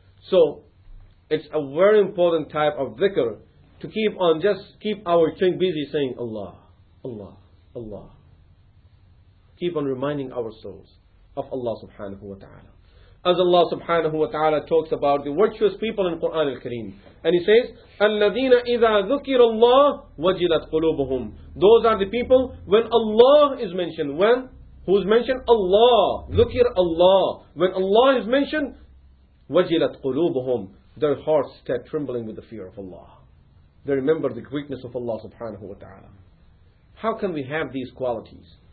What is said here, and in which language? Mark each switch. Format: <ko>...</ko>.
<en>So it's a very important type of dhikr. To keep on, just keep our tongue busy saying Allah, Allah, Allah. Keep on reminding our souls of Allah subhanahu wa ta'ala. As Allah subhanahu wa ta'ala talks about the virtuous people in Quran al-Kareem. And he says,</en> <ar>الَّذِينَ إِذَا ذُكِرَ اللَّهُ وَجِلَتْ قُلُوبُهُمْ.</ar> <en>Those are the people when Allah is mentioned. When? Who's mentioned? Allah.</en> <ar>ذُكِرَ اللَّهُ.</ar> <en>When Allah is mentioned,</en> <ar>وَجِلَتْ قُلُوبُهُمْ.</ar> <en>Their hearts start trembling with the fear of Allah. They remember the greatness of Allah subhanahu wa ta'ala. How can we have these qualities?</en>